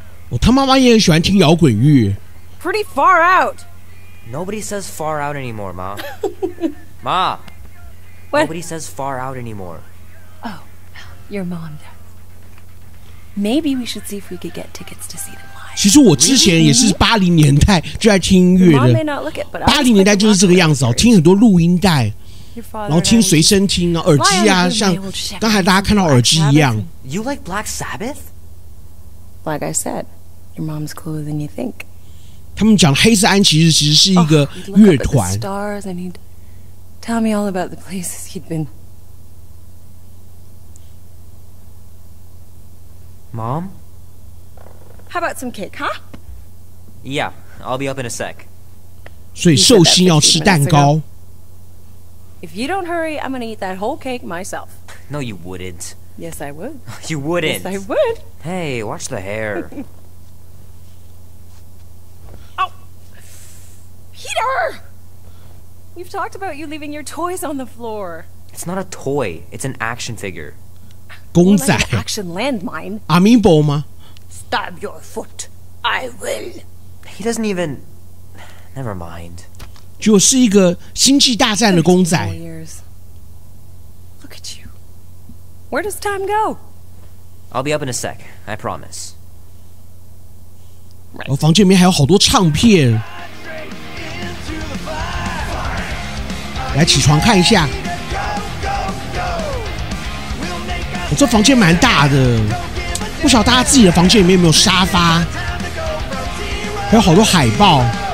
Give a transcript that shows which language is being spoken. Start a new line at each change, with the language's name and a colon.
Chinese: Oh, 他妈妈也很喜欢听摇滚乐。
English: Pretty far out. Nobody says far out anymore, Ma. Ma. What? Nobody says far out anymore. Oh, your mom does. Maybe we should see if we could get tickets to see them live.
Chinese: 其实我之前也是80年代就在听音乐的。 80年代就是这个样子哦，听很多录音带，然后听随身听啊，耳机啊，像刚才大家看到耳机一样。
English: You like Black Sabbath? Like I said, your mom's cooler than you think.
Chinese: 他们讲黑色安息日其实是一个乐团。
English: Stars and he'd tell me all about the places he'd been. Mom? How about some cake, huh? Yeah, I'll be up in a sec.
Chinese: 所以寿星要吃蛋糕。
English: If you don't hurry, I'm gonna eat that whole cake myself. No, you wouldn't. Yes, I would. You wouldn't. Yes, I would. Hey, watch the hair. Oh! Peter! We've talked about you leaving your toys on the floor. It's not a toy, it's an action figure.
Chinese: 公仔
English: action landmine
Chinese: Amiibo 吗
English: Stab your foot I will He doesn't even Never mind
Chinese: 就是一个星际大战的公仔
English: Look at you Where does time go? I'll be up in a sec I promise、 right.
Chinese: 房间里面还有好多唱片来起床看一下我这房间蛮大的，不晓得大家自己的房间里面有没有沙发，还有好多海报。